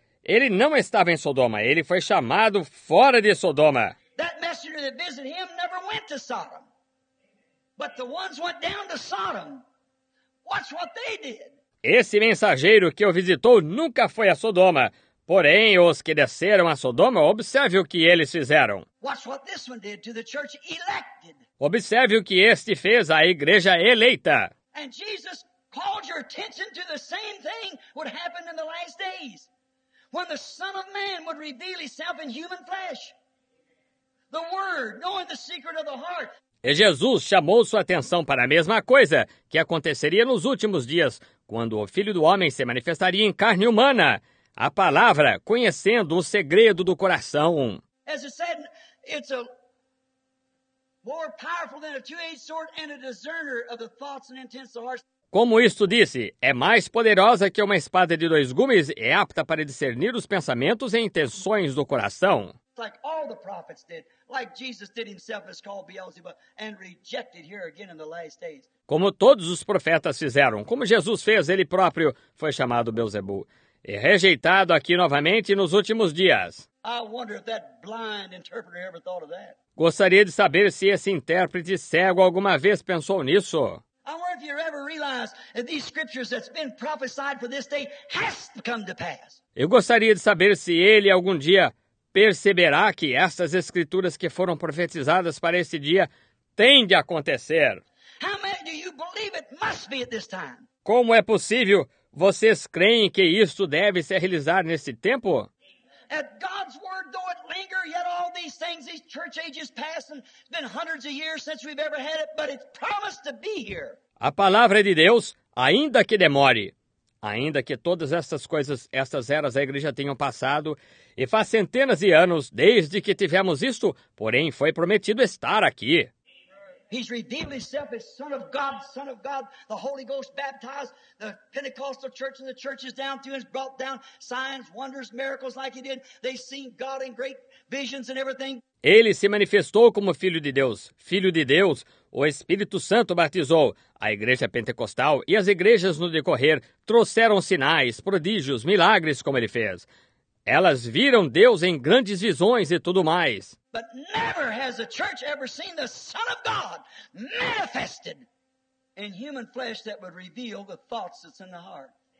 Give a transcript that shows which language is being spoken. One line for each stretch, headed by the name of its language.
Portuguese: Ele não estava em Sodoma. Ele foi chamado fora de Sodoma.
English: That messenger that visited him never went to Sodom. But the ones went down to Sodom. Watch what they did.
Portuguese: Esse mensageiro que o visitou nunca foi a Sodoma. Porém, os que desceram a Sodoma, observe o que eles fizeram.
English: Watch what this one did to the church elected.
Portuguese: Observe o que este fez à igreja eleita.
English: And Jesus called your attention to the same thing would happen in the last days. When the Son of Man would reveal himself in human flesh. The Word, knowing the secret of the heart.
Portuguese: E Jesus chamou sua atenção para a mesma coisa que aconteceria nos últimos dias, quando o Filho do Homem se manifestaria em carne humana, a palavra conhecendo o segredo do coração.
English: As it said, it's a more powerful than a two-edged sword and a discerner of the thoughts and intents of the heart.
Portuguese: Como isto disse, é mais poderosa que uma espada de dois gumes e apta para discernir os pensamentos e intenções do coração.
English: Like all the prophets did, like Jesus did himself as called Beelzebub and rejected here again in the last days.
Portuguese: Como todos os profetas fizeram, como Jesus fez, ele próprio foi chamado Beelzebub e rejeitado aqui novamente nos últimos dias.
English: I wonder if that blind interpreter ever thought of that.
Portuguese: Gostaria de saber se esse intérprete cego alguma vez pensou nisso.
English: I wonder if you ever realize that these scriptures that's been prophesied for this day has come to pass.
Portuguese: Eu gostaria de saber se ele algum dia perceberá que estas escrituras que foram profetizadas para esse dia têm de acontecer.
English: How many do you believe it must be at this time?
Portuguese: Como é possível? Vocês creem que isto deve se realizar nesse tempo?
English: At God's word, though it linger, yet all these things, these church ages pass, and it's been hundreds of years since we've ever had it, but it's promised to be here.
Portuguese: A palavra de Deus, ainda que demore, ainda que todas estas coisas, estas eras da igreja tenham passado, e faz centenas de anos desde que tivemos isto, porém foi prometido estar aqui.
English: He's revealed himself as Son of God, the Holy Ghost baptized, the Pentecostal church and the churches down through, has brought down signs, wonders, miracles like he did. They've seen God in great visions and everything.
Portuguese: Ele se manifestou como Filho de Deus, o Espírito Santo batizou. A igreja pentecostal e as igrejas no decorrer trouxeram sinais, prodígios, milagres, como ele fez. Elas viram Deus em grandes visões e tudo mais.
English: But never has a church ever seen the Son of God manifested in human flesh that would reveal the thoughts that's in the heart.